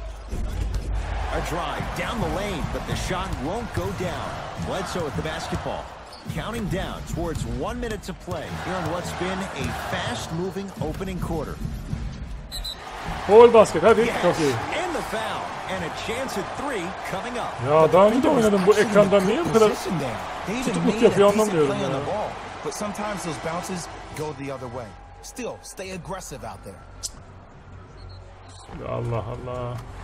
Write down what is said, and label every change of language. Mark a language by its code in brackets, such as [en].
[en] A drive down the lane, but the shot won't go down. Bledsoe with the basketball. Counting down towards 1 minute to play here in what's been a fast moving opening quarter. Foul basket, hadi, yes, [tr] çok iyi. [en] And the foul and a chance at 3 coming up. [tr] Ya daha önce de oynadım bu ekranda, niye bu kadar tutukluk yapıyor anlamıyorum ya. [en] But sometimes those bounces go the other way. Still stay aggressive out there. [tr] Ya Allah Allah.